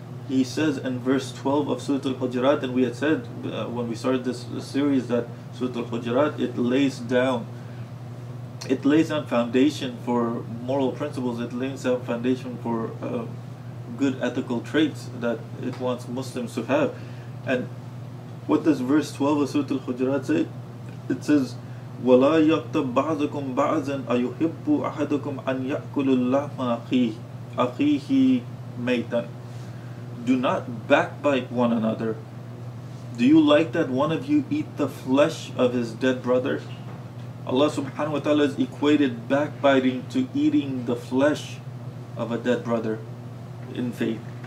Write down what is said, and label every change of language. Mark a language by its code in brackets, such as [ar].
[en] He says in verse 12 of Surah Al-Hujurat, and we had said when we started this series that Surah Al-Hujurat, it lays down foundation for moral principles, it lays down foundation for good ethical traits that it wants Muslims to have. And what does verse 12 of Surah Al-Hujurat say? It says, [ar] وَلَا يَقْتَبْ بَعْضَكُمْ بَعْضًا أَيُحِبُّ أَحَدَكُمْ أَنْ يَأْكُلُ اللَّهْمَ أَخِيهِ مَيْتًا. [en] Do not backbite one another. Do you like that one of you eat the flesh of his dead brother? Allah subhanahu wa ta'ala has equated backbiting to eating the flesh of a dead brother in faith.